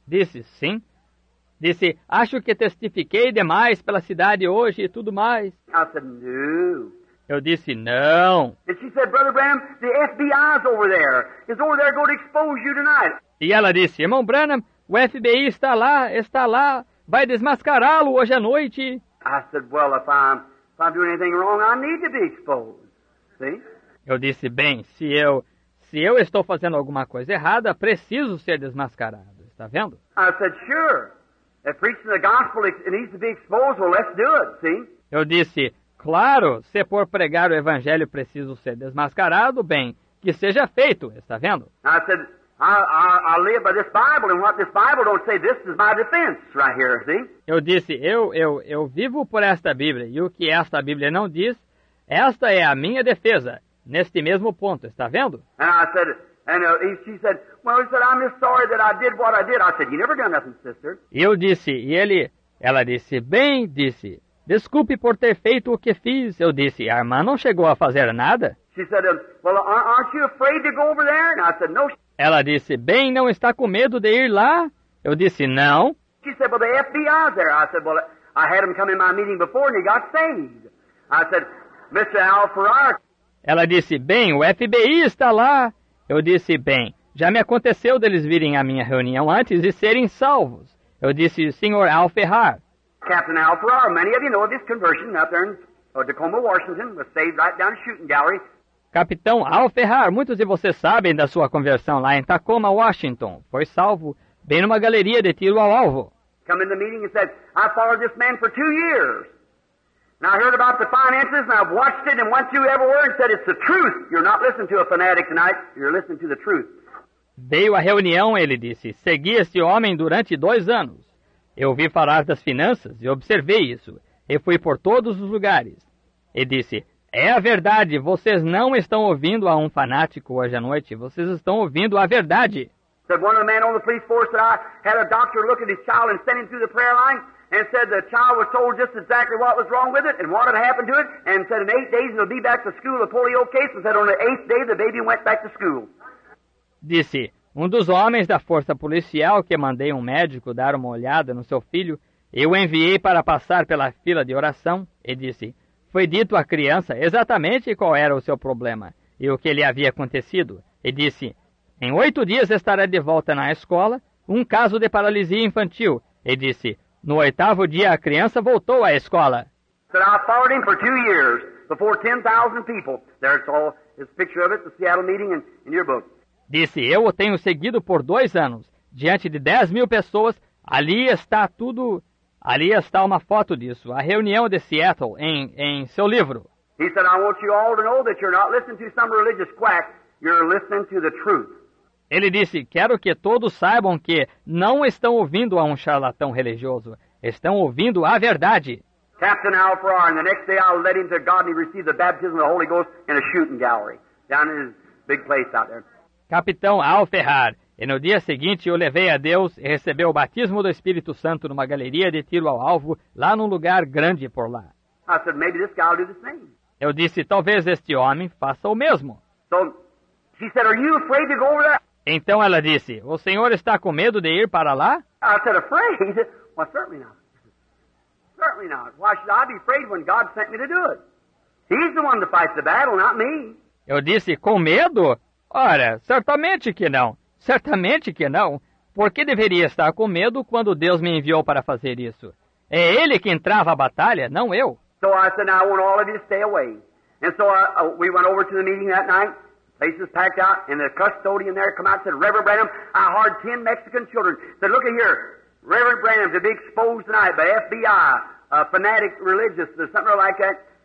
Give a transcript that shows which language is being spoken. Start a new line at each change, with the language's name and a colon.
Portuguese: Disse, sim. Disse, acho que testifiquei demais pela cidade hoje e tudo mais.
English: I said, no.
Portuguese: Eu disse, não.
English: And she said, Brother Branham, the FBI's over there. It's over there going to expose you tonight.
Portuguese: E ela disse, irmão Branham, o FBI está lá, vai desmascará-lo hoje à noite.
English: I said, well, if I'm doing anything wrong, I need to be exposed. See?
Portuguese: Eu disse, bem, se eu estou fazendo alguma coisa errada, preciso ser desmascarado. Está vendo?
English: I said, sure. If preaching the gospel it needs to be exposed, well, let's do it, see?
Portuguese: Eu disse, claro, se por pregar o evangelho preciso ser desmascarado, bem, que seja feito, está vendo?
English: I said, I live by this Bible, and what this Bible don't say, this is my defense right here, see?
Portuguese: Eu disse, eu vivo por esta Bíblia, e o que esta Bíblia não diz, esta é a minha defesa, neste mesmo ponto, está vendo?
English: And I said, and she said, well, she said, I'm just sorry that I did what I did. I said, you never done nothing, sister.
Portuguese: Eu disse, e ele, ela disse, bem, disse, desculpe por ter feito o que fiz. Eu disse, a irmã não chegou a fazer nada.
English: She said, well, aren't you afraid to go over there? And I said, no.
Portuguese: Ela disse, bem, não está com medo de ir lá? Eu disse, não.
English: She said, well, the FBI's there. I said, well, I had him come in my meeting before and he got saved. I said, Mr. Al Farrar.
Portuguese: Ela disse, bem, o FBI está lá. Eu disse, bem, já me aconteceu deles virem à minha reunião antes e serem salvos. Eu disse, Sr. Al Farrar.
English: Captain Al Farrar, many of you know of his conversion up there in Tacoma, Washington, was saved right down the shooting gallery.
Portuguese: Capitão Al Farrar, muitos de vocês sabem da sua conversão lá em Tacoma, Washington. Foi salvo bem numa galeria de tiro ao alvo.
English: Come in the meeting and said, I followed this man for 2 years. And I heard about the finances and I've watched it and went through every word and said, it's the truth. You're not listening to a fanatic tonight, you're listening to the truth.
Portuguese: Veio à reunião, ele disse, segui esse homem durante 2 anos. Eu ouvi falar das finanças e observei isso, e fui por todos os lugares. E disse, é a verdade, vocês não estão ouvindo a um fanático hoje à noite, vocês estão ouvindo a verdade.
English: Said one of the men on the police force that I had a doctor look at his child and send him through the prayer line, and said the child was told just exactly what was wrong with it, and what had happened to it, and said in 8 days it'll be back to school, a polio case, and said on the 8th day the baby went back to school.
Portuguese: Disse, um dos homens da força policial que mandei um médico dar uma olhada no seu filho, eu enviei para passar pela fila de oração e disse, foi dito à criança exatamente qual era o seu problema e o que lhe havia acontecido. E disse, em 8 dias estará de volta na escola, um caso de paralisia infantil. E disse, no 8º dia a criança voltou à escola.
English: Said, I followed him for 2 years, before 10,000 people. There's all this picture of it, the Seattle meeting in your book.
Portuguese: Disse, eu o tenho seguido por 2 anos, diante de 10,000 pessoas, ali está tudo, ali está uma foto disso, a reunião de Seattle, em seu livro.
English: He said, I want you all to know that you're not listening to some religious quack, you're listening to the truth.
Portuguese: Ele disse, quero que todos saibam que não estão ouvindo a um charlatão religioso, estão ouvindo a verdade.
English: Captain Al Farrar, the next day I led him to God and he received the baptism of the Holy Ghost in a shooting gallery, down in his big place out there.
Portuguese: Capitão Al Farrar, e no dia seguinte o levei a Deus e recebeu o batismo do Espírito Santo numa galeria de tiro ao alvo, lá num lugar grande por lá.
English: I said, maybe this guy will do the same.
Portuguese: Eu disse, talvez este homem faça o mesmo.
English: So, she said, are you afraid to go over there?
Portuguese: Então ela disse, o senhor está com medo de ir para lá?
English: I said, afraid? Well, certainly not. Certainly not. Why should I be afraid when God sent me to do it? He's the one to fight the battle, not me.
Portuguese: Eu disse, com medo? Ora, certamente que não. Certamente que não. Por que deveria estar com medo quando Deus me enviou para fazer isso? É Ele que entrava a batalha, não eu.
English: So I said, I want all of you to stay away. And so we went over to the meeting that night. Places packed out. And the custodian there came out and said, Reverend Branham, I heard 10 Mexican children. Said, look at here. Reverend Branham, to be exposed tonight by FBI, a fanatic religious, or something like that.